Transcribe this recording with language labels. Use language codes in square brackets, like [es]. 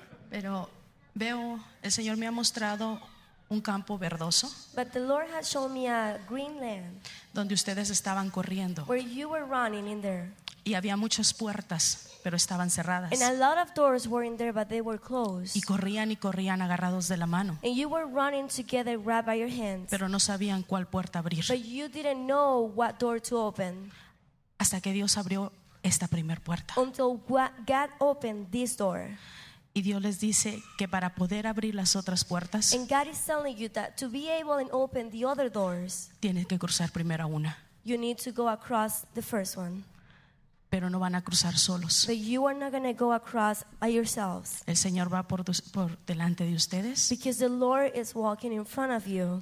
[es] Pero veo, el Señor me ha mostrado un campo verdoso. [en] But the Lord has shown me a green land. [es] Donde ustedes estaban corriendo. [en] Where you were running in there. [es] Y había muchas puertas, pero estaban cerradas. [en] And a lot of doors were in there, but they were closed. [es] Y corrían y corrían agarrados de la mano. [en] And you were running together, wrapped by your hands. [es] Pero no sabían cuál puerta abrir. [en] But you didn't know what door to open. [es] Hasta que Dios abrió esta primer puerta. [en] Until God opened this door. [es] Y Dios les dice que para poder abrir las otras puertas. [en] And God is telling you that to be able to open the other doors. [es] Tienes que cruzar primero una. [en] You need to go across the first one. [es] Pero no van a cruzar solos. [en] But you are not going to go across by yourselves. [es] El Señor va por delante de ustedes. [en] Because the Lord is walking in front of you.